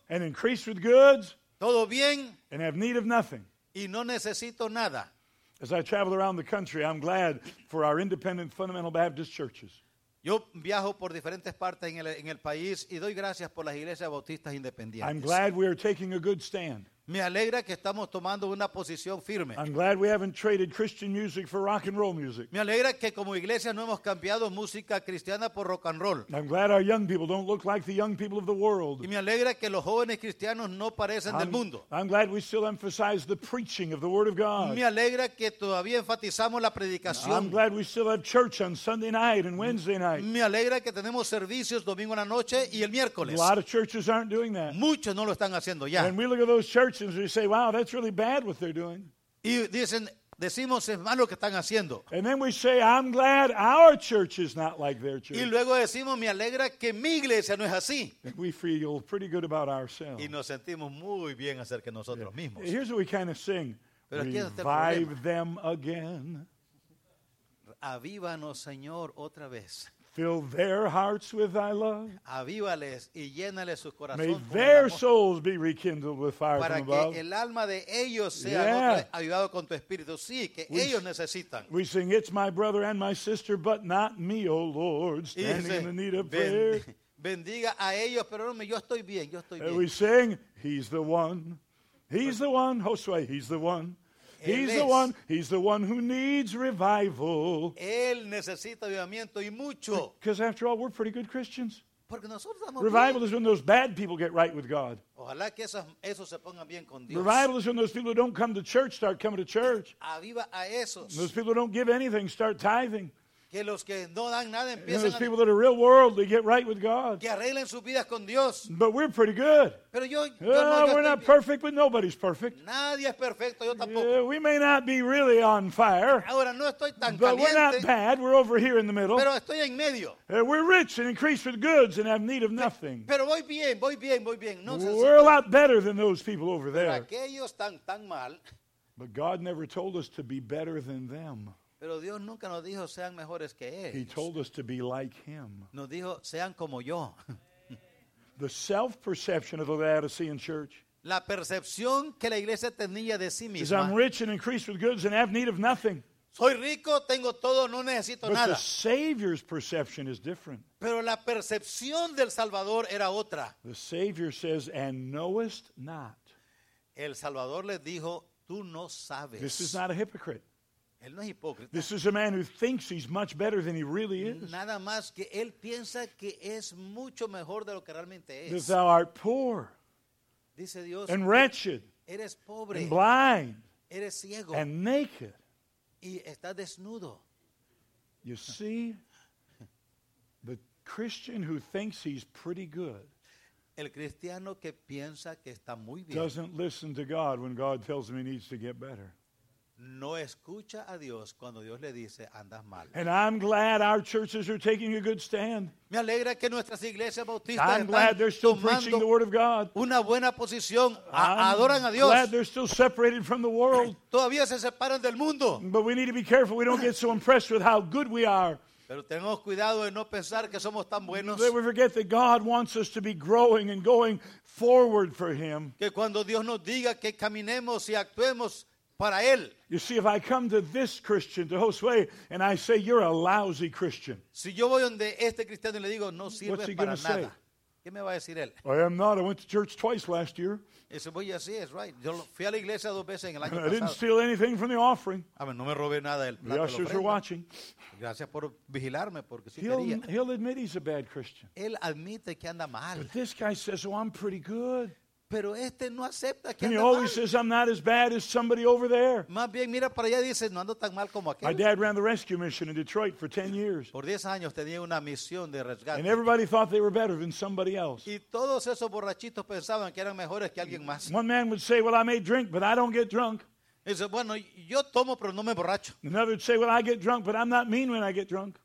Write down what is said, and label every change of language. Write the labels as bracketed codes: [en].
[en] And increased with goods. [es] Todo bien. [en] And have need of nothing. [es] Y no necesito nada. [en] As I travel around the country, I'm glad for our independent fundamental Baptist churches. [es] Yo viajo por diferentes partes en el país y doy gracias por las iglesias bautistas independientes. [en] I'm glad we are taking a good stand. [es] Me alegra que estamos tomando una posición firme. [en] I'm glad we haven't traded Christian music for rock and roll music. [es] Me alegra que como iglesia no hemos cambiado música cristiana por rock and roll. [en] I'm glad our young people don't look like the young people of the world. [es] Y me alegra que los jóvenes cristianos no parecen del mundo. [en] I'm glad we still emphasize the preaching of the word of God. [es] Me alegra que todavía enfatizamos la predicación. [en] I'm glad we still have church on Sunday night and Wednesday night. [es] Me alegra que tenemos servicios domingo en la noche y el miércoles. [en] A lot of churches aren't doing that. [es] Muchos no lo están haciendo ya. [en] When we look at those churches, and we say, wow, that's really bad what they're doing. [es] Y dicen, decimos, es malo que están haciendo. [en] And then we say, I'm glad our church is not like their church. [es] Y luego decimos, me alegra que mi iglesia no es así. [en] And we feel pretty good about ourselves. [es] Y nos sentimos muy bien acerca de nosotros mismos. [en] Here's what we kind of sing. [es] Pero aquí está el problema. [en] Revive them again. [es] Avívanos, Señor, otra vez. [en] Fill their hearts with thy love. [es] Avívales y llénales sus corazones. [en] May their souls be rekindled with fire from above. [es] Para que el alma de ellos sea avivado con tu espíritu. Sí, que ellos necesitan. [en] We sing, it's my brother and my sister, but not me, O Lord, standing in the need of prayer. [es] Bendiga a ellos, pero no, yo estoy bien, yo estoy bien. [en] And we sing, he's the one. He's the one, Josué, he's the one. He's the one. He's the one who needs revival. [es] Él necesita avivamiento y mucho. [en] Because after all, we're pretty good Christians. [es] Porque nosotros estamos [en] revival [es] bien. [en] Is when those bad people get right with God. [es] Ojalá que esos se pongan bien con Dios. [en] Revival is when those people who don't come to church start coming to church. [es] Aviva a esos. [en] And those people who don't give anything start tithing. [es] Que los que no dan nada empiezan. [en] And those people that are real worldly get right with God. [es] Que arreglen sus vidas con Dios. [en] But we're pretty good. [es] Pero yo, [en] we're not perfect, but nobody's perfect. [es] Nadie es perfecto, yo tampoco. [en] We may not be really on fire. [es] Ahora, no estoy tan [en] but [es] caliente, [en] we're not bad. We're over here in the middle. [es] Pero estoy en medio. [en] We're rich and increased with goods and have need of nothing. [es] Pero voy bien, voy bien, voy bien. No, [en] we're a lot better than those people over there. [es] Pero aquellos tan, tan mal. [en] But God never told us to be better than them. [es] Pero Dios nunca nos dijo sean mejores que él. [en] He told us to be like him. [es] Nos dijo sean como yo. [en] The self-perception of the Laodicean church. [es] La percepción que la iglesia tenía de sí misma. [en] Is I'm rich and increased with goods and have need of nothing. [es] Soy rico, tengo todo, no necesito [en] but [es] nada. [en] But the Savior's perception is different. [es] Pero la percepción del Salvador era otra. [en] The Savior says, and knowest not. [es] El Salvador les dijo, tú no sabes. [en] This is not a hypocrite. [es] Él no es hipócrita. [en] This is a man who thinks he's much better than he really is. [es] Nada más que él piensa que es mucho mejor de lo que realmente es. [en] Because thou art poor. [es] Dice Dios. [en] And wretched. [es] Eres pobre. [en] And blind. [es] Eres ciego. [en] And naked. [es] Y está desnudo. [en] You see, the Christian who thinks he's pretty good. [es] El cristiano que piensa que está muy bien. [en] Doesn't listen to God when God tells him he needs to get better. [es] No escucha a Dios cuando Dios le dice andas mal. [en] And I'm glad our churches are taking a good stand. [es] Me alegra que nuestras iglesias bautistas están tomando [en] they're still preaching the word of God. [es] Una buena posición. Adoran a Dios. [en] I'm glad they're still separated from the world. [es] Todavía se separan del mundo. [en] But we need to be careful we don't get so impressed with how good we are. [es] Pero tenemos cuidado de no pensar que somos tan buenos. [en] That we forget that God wants us to be growing and going forward for him. [es] Que cuando Dios nos diga que caminemos y actuemos para él. [en] You see, if I come to this Christian, to Josué, and I say, you're a lousy Christian. [es] Si yo voy donde este cristiano y le digo, no sirve nada. [en] What's he going to say? [es] ¿Qué me va a decir él? [en] I am not. I went to church twice last year. [es] Eso voy a decir, es right. Yo fui a la iglesia dos veces en el año pasado. [en] I didn't steal anything from the offering. [es] A ver, no me robé nada del plato. [en] The ushers are watching. [es] Gracias por vigilarme, porque si quería. [en] He'll admit he's a bad Christian. [es] Él admite que anda mal. [en] But this guy says, oh, I'm pretty good. [es] Pero este no acepta que [en] and he always [es] mal. [en] Says, I'm not as bad as somebody over there. [es] Más bien, mira para allá, dice, no ando tan mal como aquel. [en] My dad ran the rescue mission in Detroit for 10 years. [es] Por 10 años tenía una misión de rescate. [en] And everybody thought they were better than somebody else. [es] Y todos esos borrachitos pensaban que eran mejores que alguien más. [en] One man would say, well, I may drink, but I don't get drunk. [es] Y dice, bueno, yo tomo, pero no me emborracho. [en] Another would say, well, I get drunk, but I'm not mean when I get drunk.